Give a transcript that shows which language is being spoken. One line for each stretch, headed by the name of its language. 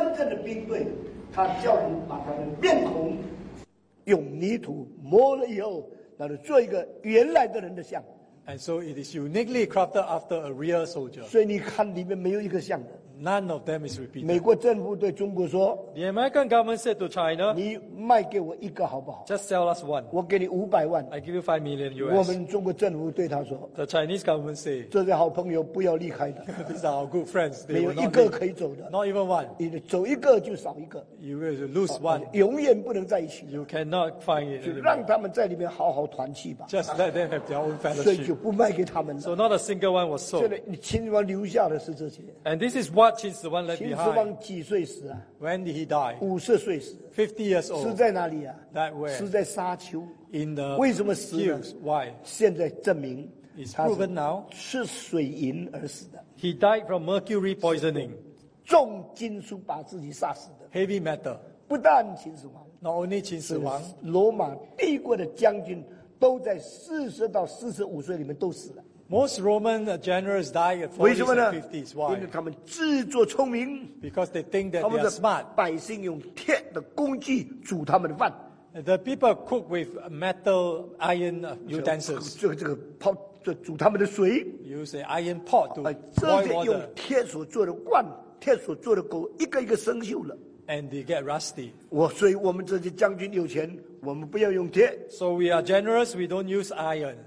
Chinese: 真正的兵队，他叫人把他的面孔用泥土抹了以后，那就做一个原来的人的像。
English: And so it is uniquely crafted after a real soldier.
Chinese: 所以你看里面没有一个像的。
English: None of them is repeated.
Chinese: 美国政府对中国说
English: ，The American government said to China,
Chinese: 你卖给我一个好不好
English: ？Just sell us one.
Chinese: 我给你五百万。
English: I give you $5 million.
Chinese: 我们中国政府对他说
English: ，The Chinese government say,
Chinese: 这些好朋友不要离开的。
English: These are our good friends.
Chinese: 没有一个可以走的。
English: Not even one.
Chinese: 你走一个就少一个。
English: You will lose one.
Chinese: 永远不能在一起。
English: You cannot find it.
Chinese: 就让他们在里面好好团聚吧。
English: Just let them have their own fellowship.
Chinese: 所以就不卖给他们了。
English: So not a single one was sold.
Chinese: 现在你秦始皇留下的是这些。
English: And this is what秦始皇 left behind.
Chinese: 秦始皇几岁死啊
English: ？When did he die?
Chinese: 50岁死。
English: 50 years old.
Chinese: 死在哪里啊
English: ？That where?
Chinese: 死在沙丘。
English: In the
Chinese: 为什么死呢
English: hills, ？Why?
Chinese: 现在证明
English: ，It's proven now.
Chinese: 是水银而死的。
English: He died from mercury poisoning.
Chinese: 重金属把自己杀死的。
English: Heavy metal.
Chinese: 不但秦始皇
English: ，Not only 秦始皇，
Chinese: 罗马帝国的将军都在40到45岁里面都死了。
English: Most Roman generals die at 40s and 50s. Why?
Chinese: 因为他们自作聪明。
English: Because they think that they are smart.
Chinese: 百姓用铁的工具煮他们的饭。
English: The people cook with metal iron utensils.
Chinese: 这个泡这煮他们的水。
English: Use an iron pot to boil water.
Chinese: 这些用铁所做的罐，铁所做的锅，一个一个生锈了。
English: and they get rusty.
Chinese: 所以我们这些将军有钱, 我们不要用铁,
English: so we are generous, we don't use iron.